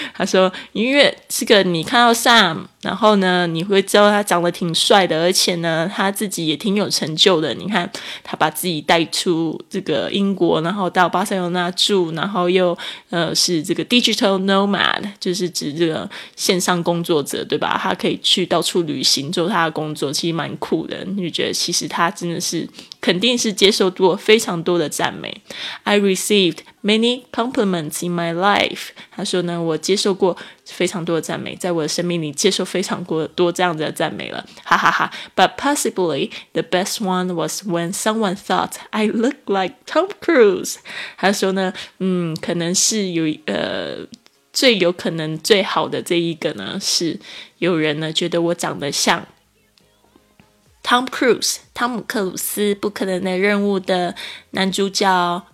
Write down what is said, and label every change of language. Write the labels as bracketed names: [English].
[Chinese] 他说因为这个你看到 Sam 然后呢你会知道他长得挺帅的，而且呢他自己也挺有成就的，你看他把自己带出这个英国，然后到巴塞罗那住，然后又是这个 digital nomad, 就是指这个线上工作者对吧，他可以去到处旅行做他的工作，其实蛮酷的，你就觉得其实他真的是肯定是接受过非常多的赞美。 [English] I received many compliments in my life. [Chinese] 他说呢，我接受过非常多的赞美，在我的生命里接受非常多这样子的赞美了，哈哈哈。 [English] But possibly the best one was when someone thought I look like Tom Cruise. [Chinese] 他说呢，可能是有最有可能最好的这一个呢，是有人呢觉得我长得像Tom Cruise, 汤姆克鲁斯，不可能的任务的男主角。